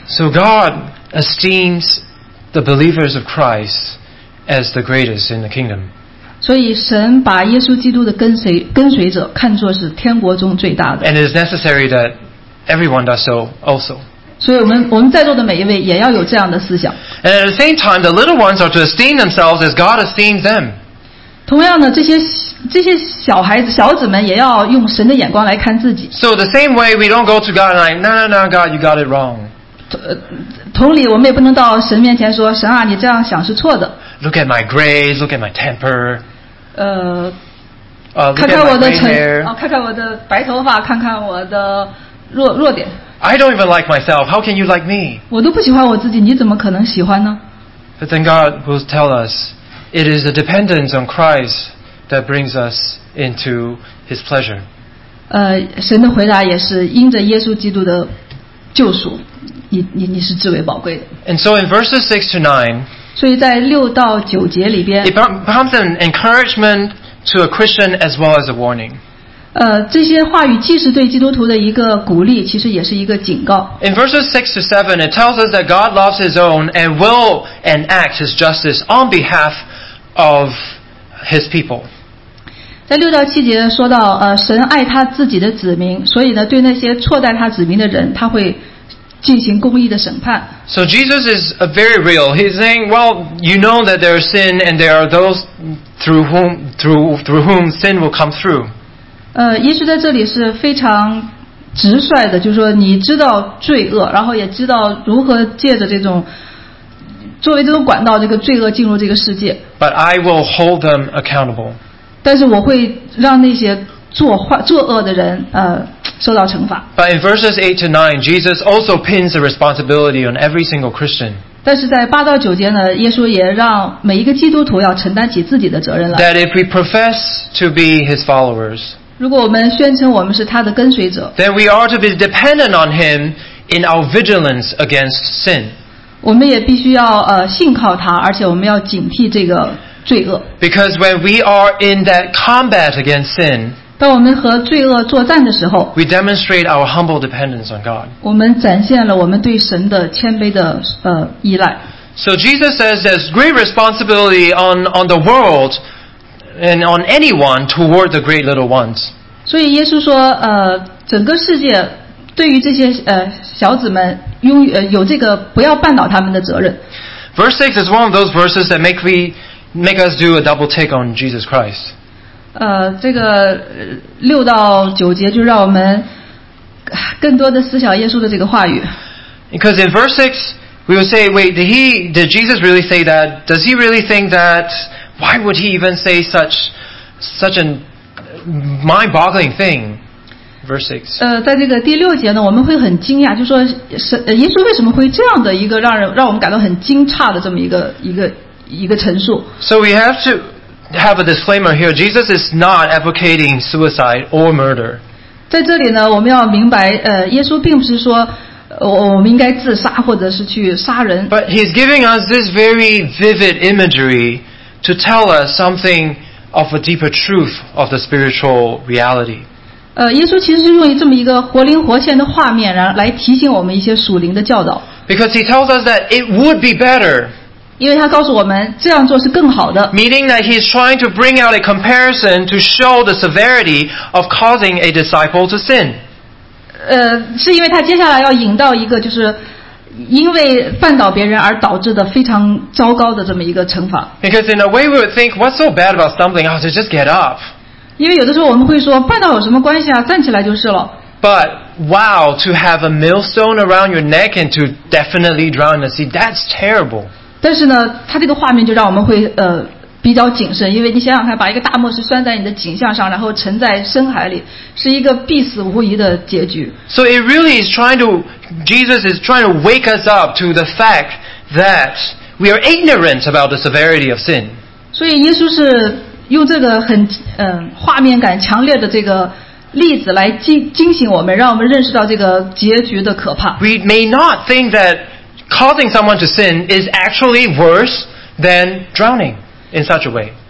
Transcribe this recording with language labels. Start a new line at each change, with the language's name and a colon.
English: So God esteems the believers of Christ as the greatest in the kingdom.
Chinese: 所以神把耶稣基督的跟随者看作是天国中最大的。
English: And it is necessary that everyone does so also.
Chinese: 所以我们在座的每一位也要有这样的思想。
English: And at the same time, the little ones are to esteem themselves as God esteems them.
Chinese: 同样的，这些小孩子小子们也要用神的眼光来看自己。
English: So the same way we don't go to God and like, no, no, no, God, you got it wrong.
Chinese: 同理，我们也不能到神面前说，神啊，你这样想是错的。
English: Look at my grades, look at my temper.
Chinese: 看看我的看看我的白头发，看看我的弱点。
English: I don't even like myself. How can you like me?
Chinese: 我都不喜欢我自己，你怎么可能喜欢呢？
English: But then God will tell us. It is the dependence on Christ that brings us into His pleasure.
Chinese: 神的回答也是因着耶稣基督的救赎，你是至为宝贵的。
English: And so in verses 6-9,
Chinese: 所以在6-9里边
English: ，it becomes an encouragement to a Christian as well as a warning.
Chinese: 这些话语既是对基督徒的一个鼓励，其实也是一个警告。
English: In verses 6-7, it tells us that God loves His own and will enact His justice on behalf of His people.
Chinese: 在6-7说到，神爱他自己的子民，所以呢，对那些错待他子民的人，他会进行公义的审判。
English: So Jesus is very real. He's saying, "Well, you know that there is sin, and there are those through whom sin will come through."
Chinese: 耶稣在这里是非常直率的，就是说你知道罪恶，然后也知道如何借着这种作为这种管道，这个罪恶进入这个世界。
English: But I will hold them accountable.
Chinese: 但是我会让那些作恶的人受到惩罚。
English: But in verses 8-9, Jesus also pins the responsibility on every single Christian.
Chinese: 但是在8-9呢，耶稣也让每一个基督徒要承担起自己的责任来。
English: That if we profess to be His followers.
Chinese: 如果我们宣称我们是他的跟随者
English: ，then we are to be dependent on him in our vigilance against sin.
Chinese: 我们也必须要信靠他，而且我们要警惕这个罪恶。
English: Because when we are in that combat against sin,
Chinese: 当我们和罪恶作战的时候，
English: we demonstrate our humble dependence on God.
Chinese: 我们展现了我们对神的谦卑的依赖。
English: So Jesus says there's great responsibility on the world and on anyone toward the great little ones.
Chinese: 所以耶稣说，整个世界对于这些小子们有这个不要绊倒他们的责任。
English: Verse 6 is one of those verses that make us do a double take on Jesus Christ.
Chinese: 这个六到九节就让我们更多的思想耶稣的这个话语。
English: Because in verse 6, we will say, wait, did Jesus really say that? Does he really think that? Why would he even say such a mind-boggling thing? Verse 6.
Chinese: 在这个第六节呢，我们会很惊讶，就是说耶稣为什么会这样的一个让我们感到很惊诧的这么一个陈述。
English: So we have to have a disclaimer here. Jesus is not advocating suicide or murder.
Chinese: 在这里呢，我们要明白，耶稣并不是说我们应该自杀或者是去杀人。
English: But he's giving us this very vivid imagery to tell us something of a deeper truth of the spiritual reality.
Chinese: 耶稣其实是用这么一个活灵活现的画面来提醒我们一些属灵的教导。
English: Because he tells us that it would be better.
Chinese: 因为他告诉我们这样做是更好的。
English: Meaning that he's trying to bring out a comparison to show the severity of causing a disciple to sin.
Chinese: 是因为他接下来要引到一个就是因为绊倒别人而导致的非常糟糕的这么一个惩罚。
English: Because in a way we would think, what's so bad about stumbling out to just get up?
Chinese: 因为有的时候我们会说绊倒有什么关系啊，站起来就是了。
English: But wow, to have a millstone around your neck and to definitely drown in the sea, that's terrible.
Chinese: 但是呢，它这个画面就让我们会比较谨慎，因为你想想看，把一个大磨石拴在你的颈项上，然后沉在深海里，是一个必死无疑的结局。
English: So it really is trying to, Jesus is trying to wake us up to the fact that we are ignorant about the severity of sin.
Chinese: 所以耶稣是用这个很画面感强烈的这个例子来惊醒我们，让我们认识到这个结局的可怕。
English: We may not think that causing someone to sin is actually worse than drowning in such a way.